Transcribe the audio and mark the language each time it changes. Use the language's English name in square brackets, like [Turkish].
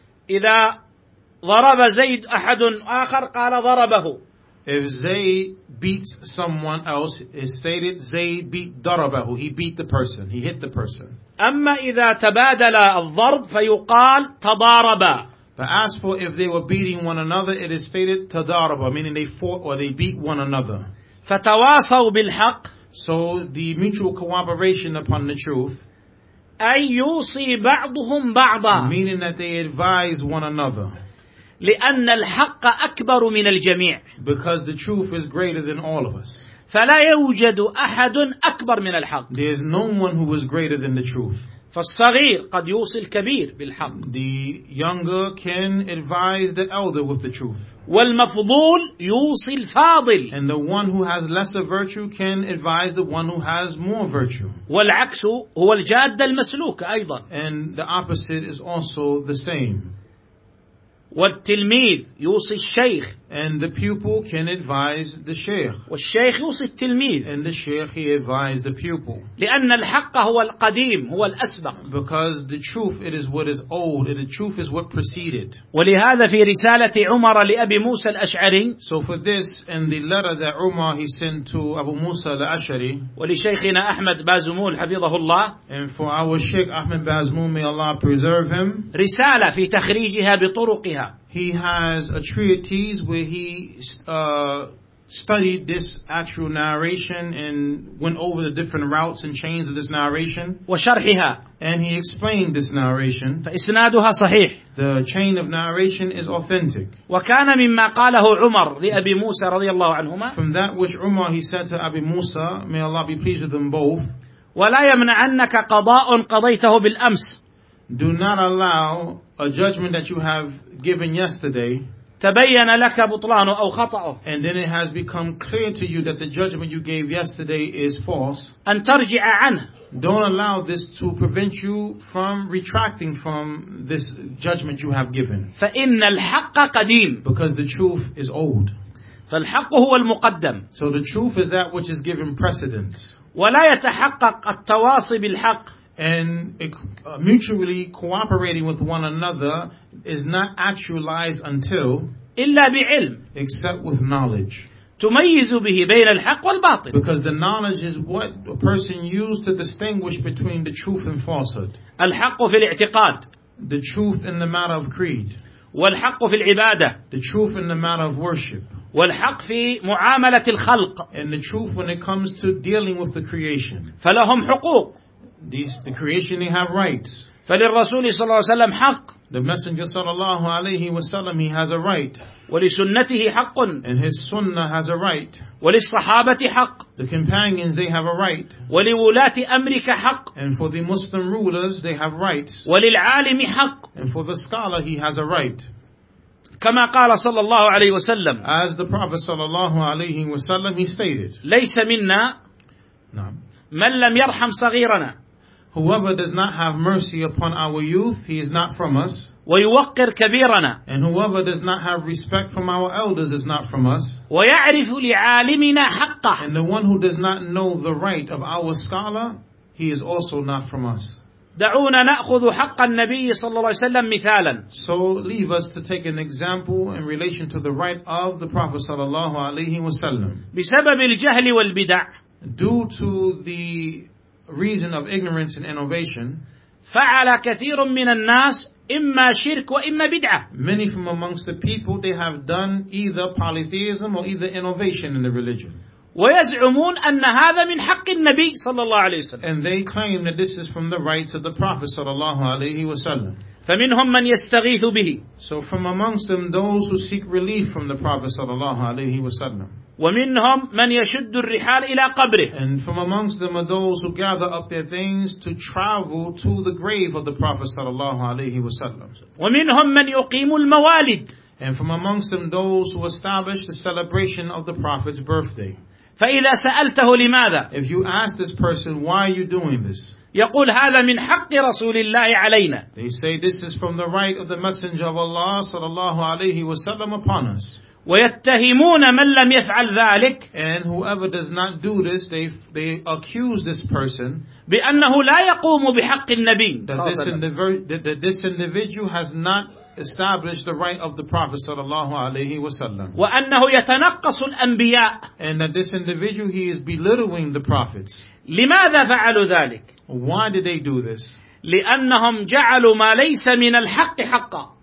[Arabic] إذا ضرب زيد أحد آخر قال ضربه. [English] If Zayd beats someone else, it's stated Zayd beat ضربه. He beat the person. He hit the person. [Arabic] أما إذا تبادل الضرب فيقال تضاربا. [English] But as for if they were beating one another, it is stated تضاربا, meaning they fought or they beat one another. [Arabic] فتواصوا بالحق. [English] So the mutual cooperation upon the truth. [Arabic] أي يوصي بعضهم بعضا. [English] Meaning that they advise one another. [Arabic] لأن الحق أكبر من الجميع. [English] Because the truth is greater than all of us. [Arabic] فلا يوجد أحد أكبر من الحق. [English] There is no one who is greater than the truth. [Arabic] فالصغير قد يوصي الكبير بالحق. [English] The younger can advise the elder with the truth. [Arabic] والمفضول يوصي الفاضل. [English] And the one who has lesser virtue can advise the one who has more virtue. [Arabic] والعكس هو الجاد المسلوك أيضا. [English] And the opposite is also the same. [Arabic] والتلميذ يوصي الشيخ. [English] And the pupil can advise the sheikh. [Arabic] والشيخ يوصي التلميذ. [English] And the sheikh he advises the pupil. [Arabic] لأن الحق هو القديم هو الأسبق. [English] Because the truth it is what is old and the truth is what preceded. [Arabic] ولهذا في رسالة عمر لأبي موسى الأشعري. [English] So for this in the letter that Umar he sent to Abu Musa al-Ash'ari. [Arabic] ولشيخنا أحمد بازمون حفظه الله. [English] And for our Sheikh Ahmed Bazmoun may Allah preserve him. [Arabic] رسالة في تخريجها بطرقها. [English] He has a treatise where he studied this actual narration and went over the different routes and chains of this narration. [Arabic] وشرحها. [English] And he explained this narration. [Arabic] فإسنادها صحيح. [English] The chain of narration is authentic. [Arabic] وكان مما قاله عمر لأبي موسى رضي الله عنهما. [English] From that which Umar he said to Abi Musa, may Allah be pleased with them both. [Arabic] ولا يمنعنك قضاء قضيته بالأمس. [English] Do not allow a judgment that you have given yesterday. [Arabic] تبين لك بطلانه أو خطأه. [English] And then it has become clear to you that the judgment you gave yesterday is false. [Arabic] أن ترجع عنه. [English] Don't allow this to prevent you from retracting from this judgment you have given. [Arabic] فإن الحق قديم. [English] Because the truth is old. [Arabic] فالحق هو المقدم. [English] So the truth is that which is given precedence. [Arabic] ولا يتحقق التواصي بالحق. [English] And mutually cooperating with one another is not actualized until [Arabic] إلا بعلم [English] except with knowledge. [Arabic] تميز به بين الحق والباطل. [English] Because the knowledge is what a person used to distinguish between the truth and falsehood. [Arabic] الحق في الاعتقاد. [English] The truth in the matter of creed. [Arabic] والحق في العبادة. [English] The truth in the matter of worship. [Arabic] والحق في معاملة الخلق. [English] And the truth when it comes to dealing with the creation. [Arabic] فلهم حقوق. [English] The creation they have rights. [Arabic] فللرسول صلى الله عليه وسلم حق. [English] The messenger [Arabic] صلى الله عليه وسلم [English] he has a right. [Arabic] ولسنته حق. [English] And his sunnah has a right. [Arabic] وللصحابة حق. [English] The companions they have a right. [Arabic] ولولاة أمرك حق. [English] And for the Muslim rulers they have rights. [Arabic] وللعالم حق. [English] And for the scholar he has a right. [Arabic] كما قال صلى الله عليه وسلم. [English] As the Prophet [Arabic] صلى الله عليه وسلم [English] he stated. [Arabic] ليس منا. نعم. من لم يرحم صغيرنا. [English] Whoever does not have mercy upon our youth, he is not from us. [Arabic] ويوقر كبيرنا. [English] And whoever does not have respect from our elders is not from us. [Arabic] ويعرف لعالمنا حقه. [English] And the one who does not know the right of our scholar, he is also not from us. [Arabic] دعونا نأخذ حق النبي صلى الله عليه وسلم مثالا. [English] So leave us to take an example in relation to the right of the Prophet [Arabic] صلى الله عليه وسلم. بسبب الجهل والبدع. [English] due to the reason of ignorance and innovation, [Arabic] فعل كثير من الناس إما شرك وإما بدعة. [English] Many from amongst the people, they have done either polytheism or either innovation in the religion. [Arabic] ويزعمون أن هذا من حق النبي صلى الله عليه وسلم. [English] And they claim that this is from the rights of the Prophet [Arabic] صلى الله عليه وسلم. فمنهم من يستغيث به. [English] So from amongst them, those who seek relief from the Prophet [Arabic] صلى الله عليه وسلم. ومنهم من يشد الرحال إلى قبره. [English] And from amongst them are those who gather up their things to travel to the grave of the Prophet [Arabic] صلى الله عليه وسلم. ومنهم من يقيم الموالد. [English] And from amongst them those who establish the celebration of the Prophet's birthday. [Arabic] فإذا سألته لماذا؟ [English] If you ask this person, why are you doing this? [Arabic] يقول هذا من حق رسول الله علينا. [English] They say this is from the right of the Messenger of Allah [Arabic] صلى الله عليه وسلم [English] upon us. [Arabic] ويتهمون من لم يفعل ذلك. [English] And whoever does not do this, they accuse this person [Arabic] بأنه لا يقوم بحق النبي. [English] That this individual has not established the right of the Prophet [Arabic] صلى الله عليه وسلم. وأنه يتنقص الأنبياء. [English] And that this individual, he is belittling the prophets. [Arabic] لماذا فعلوا ذلك؟ [English] Why did they do this? [Arabic] لأنهم جعلوا ما ليس من الحق حقا.